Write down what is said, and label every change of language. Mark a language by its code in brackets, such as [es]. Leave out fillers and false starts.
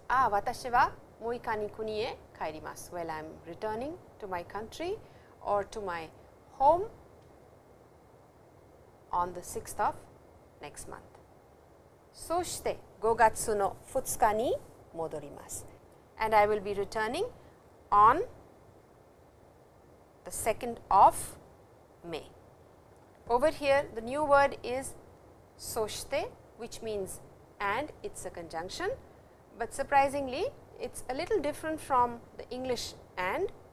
[ja] 私は6日に国へ帰ります。 [en] Well, I'm returning to my country or to my home on the 6th of next month. [ja] そして5月の2日に戻ります。 [en] And I will be returning on the 2nd of May. Over here, the new word is そして, which means and, it's a conjunction. But surprisingly, it's a little different from the English and.